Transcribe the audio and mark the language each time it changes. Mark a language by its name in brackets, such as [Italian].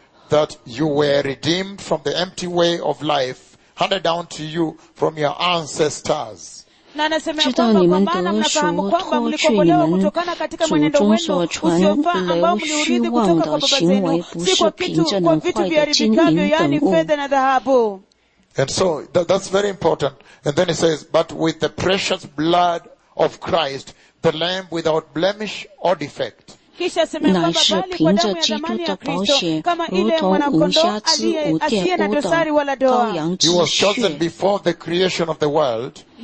[English] That you were redeemed from the empty way of life handed down to you from your ancestors. [Chinese] 知道你们得赎，脱去你们祖宗所传流虚妄的行为，不是凭着能坏的金银等物。 [English] And so that's very important. And then it says, but with the precious blood of Christ, the Lamb without blemish or defect. [Chinese] 乃是凭着基督的宝血，如同无瑕疵、无玷、无等羔羊之血。 [English] He was chosen before the creation of the world.